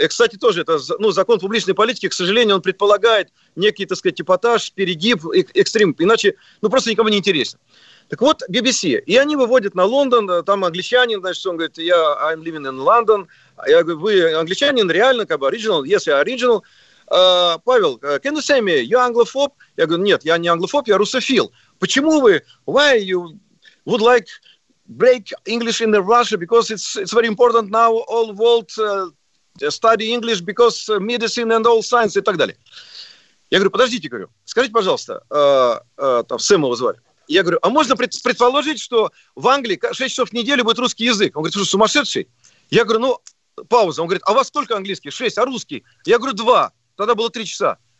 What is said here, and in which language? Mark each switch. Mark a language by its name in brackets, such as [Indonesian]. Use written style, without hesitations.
[Russian] И, кстати, тоже это, ну, закон публичной политики, к сожалению, он предполагает некий, так сказать, эпатаж, перегиб, экстрим. Иначе, ну, просто никому не интересно. Так вот, BBC. И они выводят на Лондон, там англичанин, значит, он говорит, я [English] I'm living in London. [Russian] Я говорю, вы англичанин, реально, как бы, [English] original, yes, [Russian] я original. [English] Павел, can you say me, you're англофоб? [Russian] Я говорю, нет, я не англофоб, я русофил. Почему вы, [English] why you would like break English in the Russia, because it's very important now, all world... study English because medicine and all science [Russian] и так далее. Я говорю, подождите, скажите, пожалуйста, там Сэм его звали, Я говорю, а можно предположить, что в Англии 6 часов в неделю будет русский язык? Он говорит, что сумасшедший? Я говорю, ну, пауза. Он говорит, а у вас сколько английский? 6, а русский? Я говорю, 2. Тогда было 3 часа.